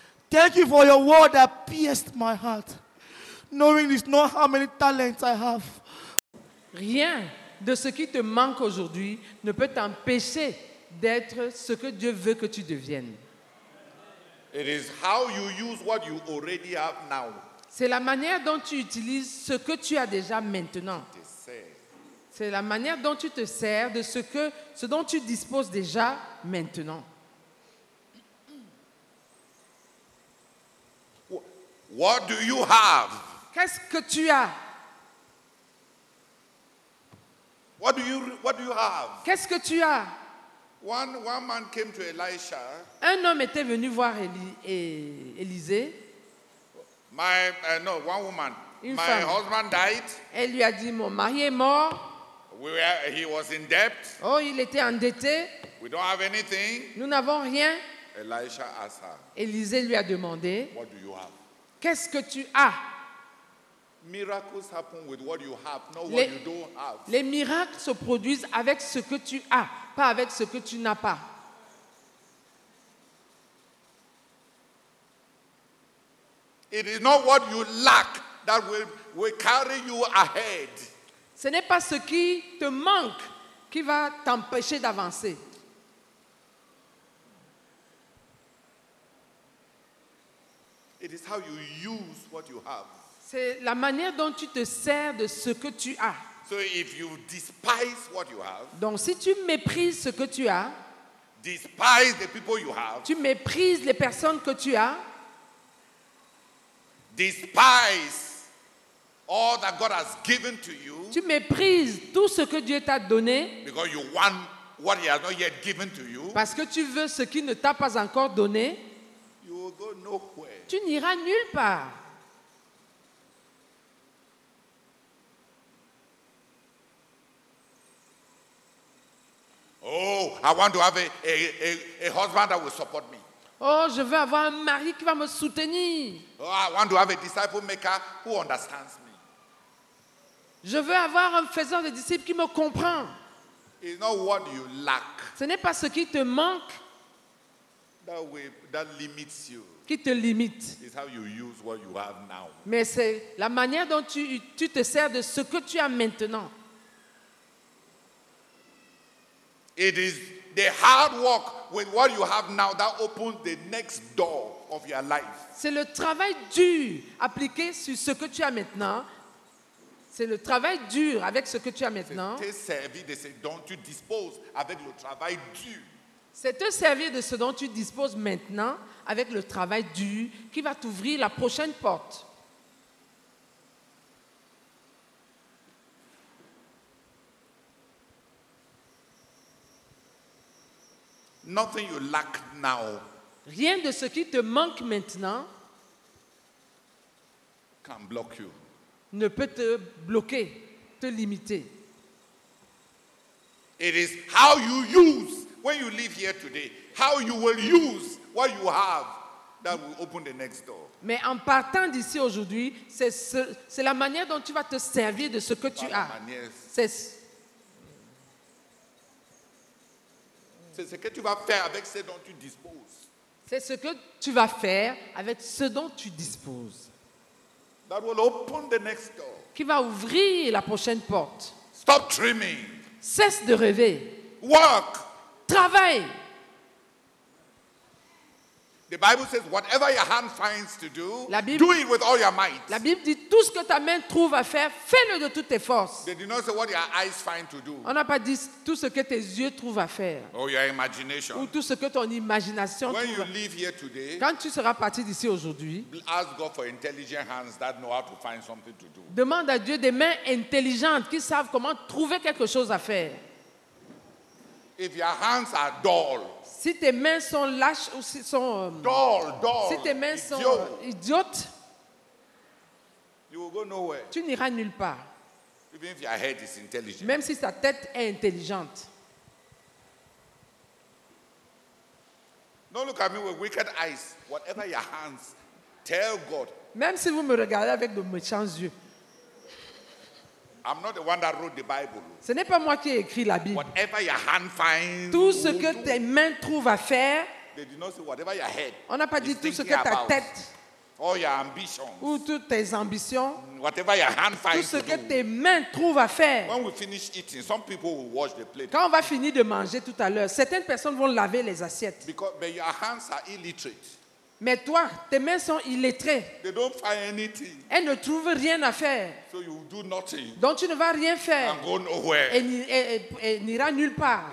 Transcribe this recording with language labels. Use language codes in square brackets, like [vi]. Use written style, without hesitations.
[en] Thank you for your word that pierced my heart. Knowing it's not how many talents I have. [fr] Rien de ce qui te manque aujourd'hui ne peut t'empêcher d'être ce que Dieu veut que tu deviennes. [en] It is how you use what you already have now. [fr] C'est la manière dont tu utilises ce que tu as déjà maintenant. C'est la manière dont tu te sers de ce dont tu disposes déjà maintenant. [en] What do you have? [fr] Qu'est-ce que tu as? [en] What do you have? [fr] Qu'est-ce que tu as? [en] One man came to Elisha. [fr] Un homme était venu voir Élisée. [en] One woman. My husband died. [fr] Elle lui a dit, mon mari est mort. [en] He was in debt. [fr] Oh, il était endetté. [en] We don't have anything. [fr] Nous n'avons rien. [en] Elisha asked her. [fr] Élisée lui a demandé, [en] what do you have? [fr] Qu'est-ce que tu as? [en] Miracles happen with what you have, not what you don't have. [fr] Les miracles se produisent avec ce que tu as, pas avec ce que tu n'as pas. [en] It is not what you lack that will carry you ahead. [fr] Ce n'est pas ce qui te manque qui va t'empêcher d'avancer. [en] It is how you use what you have. [fr] C'est la manière dont tu te sers de ce que tu as. [en] So if you despise what you have, [fr] donc si tu méprises ce que tu as, [en] despise the people you have, [fr] tu méprises les personnes que tu as, [en] despise all that God has given to you, [fr] tu méprises tout ce que Dieu t'a donné, [en] because you want what he has not yet given to you, [fr] parce que tu veux ce qu'il ne t'a pas encore donné, [en] you will go nowhere. [fr] Tu n'iras nulle part. [en] Oh, I want to have a husband that will support me. [fr] Oh, je veux avoir un mari qui va me soutenir. [en] Oh, I want to have a disciple maker who understands me. [fr] Je veux avoir un faiseur de disciples qui me comprend. [en] It's not what you lack. [fr] Ce n'est pas ce qui te manque. [en] That limits you. [fr] Qui te limite. [en] It's how you use what you have now. [fr] Mais c'est la manière dont tu te sers de ce que tu as maintenant. [en] It is the hard work with what you have now that opens the next door of your life. [fr] C'est le travail dur appliqué sur ce que tu as maintenant. C'est le travail dur avec ce que tu as maintenant. C'est te servir de ce dont tu disposes avec le travail dur. C'est te servir de ce dont tu disposes maintenant avec le travail dur qui va t'ouvrir la prochaine porte. [en] Nothing you lack now. [fr] Rien de ce qui te manque maintenant [en] can block you. [fr] Ne peut te bloquer, te limiter. [en] It is how you use when you live here today, how you will use what you have that will open the next door. [fr] Mais en partant d'ici aujourd'hui, c'est la manière dont tu vas te servir de ce que tu as. C'est ce que tu vas faire avec ce dont tu disposes. C'est ce que tu vas faire avec ce dont tu disposes. [en] That will open the next door. [fr] Qui va ouvrir la prochaine porte. [en] Stop dreaming. [fr] Cesse de rêver. [en] Work. [fr] Travaille. [en] The Bible says, whatever your hand finds to do, do it with all your might. [fr] La Bible dit tout ce que ta main trouve à faire, fais-le de toutes tes forces. [en] They did not say what your eyes find to do. [fr] On n'a pas dit tout ce que tes yeux trouvent à faire. [en] Or your imagination. [fr] Ou tout ce que ton imagination [en] trouve. When you leave here today, [fr] quand tu seras parti d'ici aujourd'hui, [en] ask God for intelligent hands that know how to find something to do. [fr] Demande à Dieu des mains intelligentes qui savent comment trouver quelque chose à faire. [en] If your hands are dull. [fr] Si tes mains sont lâches ou si sont [en] dull, [fr] si tes mains [en] idiot, [fr] sont idiotes, [en] you will go nowhere. [fr] Tu n'iras nulle part. [en] Even if your head is intelligent. [fr] Même si sa tête est intelligente. [en] Don't look at me with wicked eyes. Whatever your hands, tell God. [fr] Même si vous me regardez avec de méchants yeux. [en] I'm not the one that wrote the Bible. [fr] Ce n'est pas moi qui ai écrit la Bible. [en] Whatever your hand finds, [fr] tout ce que tes mains trouvent à faire. [en] They did not say whatever your head. [fr] On n'a pas dit tout ce que ta tête. [en] All your ambitions. [fr] Ou toutes tes ambitions. [en] Whatever your hand finds. [fr] Tout ce que tes mains trouvent à faire. [en] When we finish eating, some people will wash the plate. [fr] Quand on va finir de manger tout à l'heure, certaines personnes vont laver les assiettes. [en] Because but your hands are illiterate. [fr] Mais toi, tes mains sont illettrées. [en] They don't find anything. [fr] Elles ne trouvent rien à faire. [en] So you do nothing. [fr] Donc tu ne vas rien faire. [en] And go nowhere. [fr] Et n'ira nulle part.